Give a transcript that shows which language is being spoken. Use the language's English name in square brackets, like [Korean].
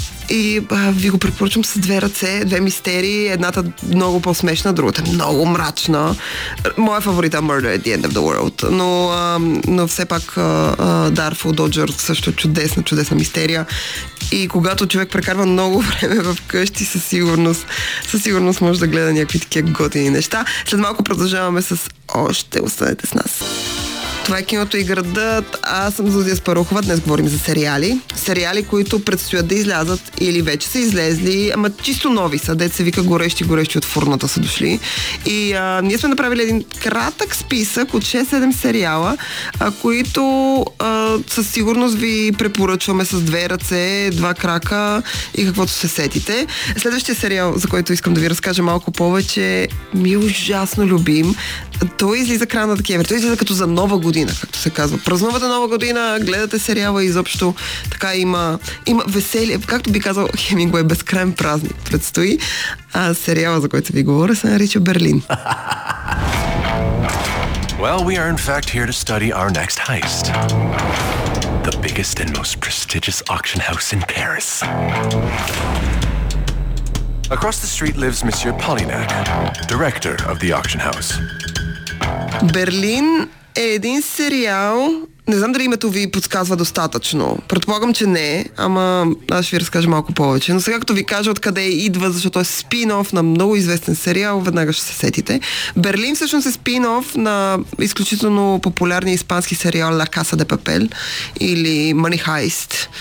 [Bulgarian] И ви го препоръчвам с две ръце, две мистерии. Едната много по-смешна, другата много мрачна. Моя фаворита Murder at the End of the World. Но, но все пак Artful Dodger също чудесна, чудесна мистерия. И когато човек прекарва много време в къщи, със сигурност може да гледа някакви такива готини неща. След малко продължаваме с още. Останете с нас. Това е киното и градът. Аз съм Зодия Спарухова. Днес говорим за сериали. Сериали, които предстоят да излязат или вече са излезли, ама чисто нови са. Дет се вика горещи от фурната са дошли. И ние сме направили един кратък списък от 6-7 сериала, които със сигурност ви препоръчваме с две ръце, два крака и каквото се сетите. Следващия сериал, за който искам да ви разкажа малко повече, ми е ужасно любим. Той излиза края на декември. Той излиза като за нова година, както се казва. Празнувате нова година, гледате сериала и изобщо така има веселие. Както би казал Хемингуей, безкрайен празник предстои. А сериала, за който ви говоря, се нарича Берлин. [English] Well, we are in fact here to study our next heist. The biggest and most prestigious auction house in Paris. Across the street lives Monsieur Polignac, director of the auction house. [Bulgarian] Берлин е един сериал. Не знам дали името ви подсказва достатъчно. Предполагам, че не, ама аз ще ви разкажа малко повече. Но сега, като ви кажа откъде идва, защото е спин-оф на много известен сериал, веднага ще се сетите. Берлин всъщност е спин-оф на изключително популярния испански сериал La Casa de Papel или Money Heist.